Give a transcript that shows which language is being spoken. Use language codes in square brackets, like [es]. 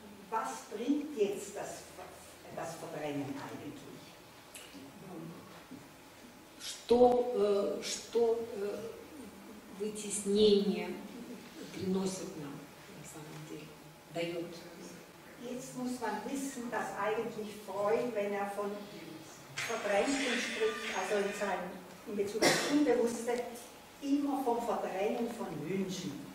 [de] Was bringt jetzt das Verdrängen eigentlich? [ru] Что вытеснение приносит нам, на самом деле, дает? [de] Jetzt muss man wissen, dass eigentlich Freud, wenn von Verdrängen spricht, also in Bezug auf Unbewusste, immer vom Verdrängen von Wünschen.